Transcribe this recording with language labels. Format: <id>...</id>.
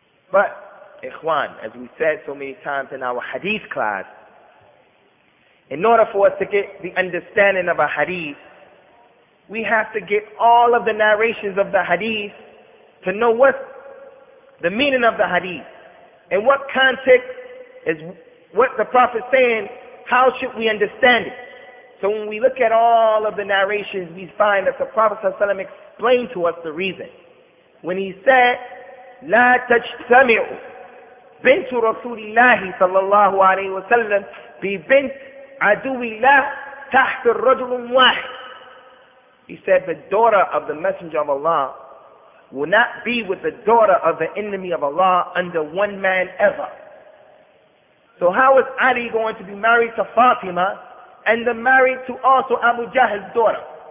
<en>But, ikhwan, as we said so many times in our hadith class, in order for us to get the understanding of a hadith, we have to get all of the narrations of the hadith to know what the meaning of the hadith. In what context is what the Prophet saying, how should we understand it? So when we look at all of the narrations, we find that the Prophet ﷺ explained to us the reason. When he said,</en> <ar>لا تجتمعوا بنت رسول الله صلى الله عليه وسلم ببنت عدو الله تحت الرجل واحد.</ar> <en>He said, the daughter of the Messenger of Allah will not be with the daughter of the enemy of Allah under one man ever. So how is Ali going to be married to Fatima and then married to also Abu Jahl's daughter?</en>